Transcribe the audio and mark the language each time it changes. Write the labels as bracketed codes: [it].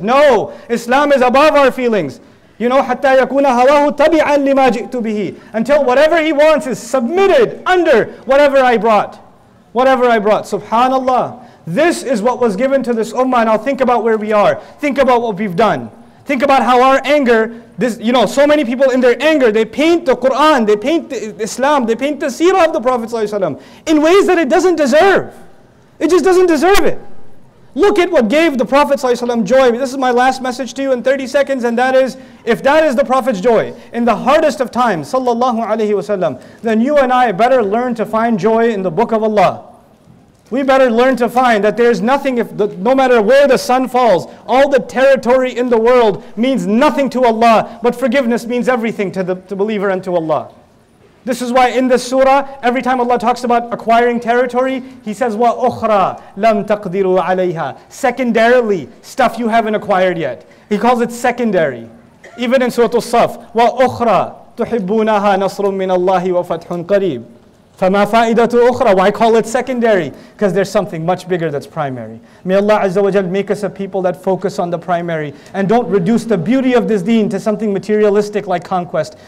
[en] No, Islam is above our feelings. You know, [ar] حَتَّى يَكُونَ هَوَاهُ تَبِعًا لِمَا جِئْتُ بِهِ. [en] Until whatever he wants is submitted under whatever I brought. Whatever I brought. Subhanallah. This is what was given to this ummah. Now think about where we are. Think about what we've done. Think about how our anger, this, you know, so many people in their anger, they paint the Quran, they paint the Islam, they paint the seerah of the Prophet ﷺ in ways that it doesn't deserve. It just doesn't deserve it. Look at what gave the Prophet ﷺ joy. This is my last message to you in 30 seconds, and that is, if that is the Prophet's joy in the hardest of times, sallallahu alayhi wasallam, then you and I better learn to find joy in the Book of Allah. We better learn to find that there's nothing, no matter where the sun falls, all the territory in the world means nothing to Allah, but forgiveness means everything to the believer and to Allah. This is why in this surah, every time Allah talks about acquiring territory, He says, "Wa [ar] أُخْرَى لَمْ تَقْدِرُوا عَلَيْهَا." [en] Secondarily, stuff you haven't acquired yet. He calls it secondary. Even in Surah As-Saff, [ar] "Wa أُخْرَى تُحِبُّونَهَا نَصْرٌ مِّنَ اللَّهِ وَفَتْحٌ قَرِيبٌ فَمَا فَائِدَةُ أُخْرَى." [en] Why call it secondary? Because there's something much bigger that's primary. May Allah Azza wa Jal make us a people that focus on the primary and don't reduce the beauty of this deen to something materialistic like conquest.